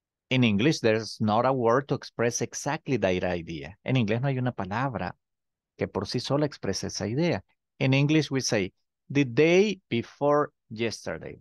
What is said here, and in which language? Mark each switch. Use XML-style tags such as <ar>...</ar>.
<en>In English, there's not a word to express exactly that idea.</en> <es>En inglés no hay una palabra que por sí sola exprese esa idea.</es> <en>In English we say the day before yesterday.</en>